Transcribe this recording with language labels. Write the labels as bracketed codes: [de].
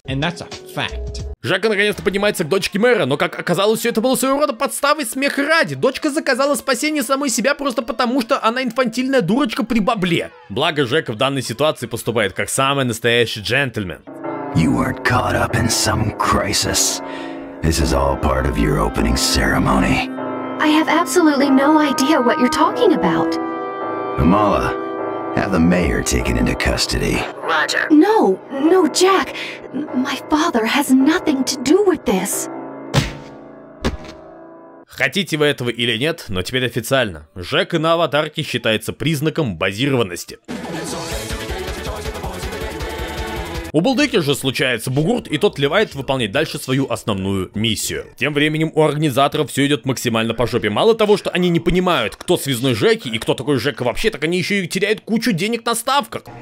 [en] And that's a fact. [ru] Жека наконец-то поднимается к дочке мэра, но как оказалось, все это было своего рода подставой смех ради. Дочка заказала спасение самой себя просто потому, что она инфантильная дурочка при бабле. Благо Жека в данной ситуации поступает как самый настоящий джентльмен. [en] You weren't caught up in some crisis. This is all part of your opening ceremony. I have absolutely no idea what you're talking about. Amala, have the mayor taken into custody. Roger. No, no, Jack. My father has nothing to do with this. [ru] Хотите вы этого или нет, но теперь официально. Жека на аватарке считается признаком базированности. У Булдыки же случается бугурт, и тот ливает выполнять дальше свою основную миссию. Тем временем у организаторов все идет максимально по жопе. Мало того, что они не понимают, кто связной Жеки и кто такой Жека вообще, так они еще и теряют кучу денег на ставках.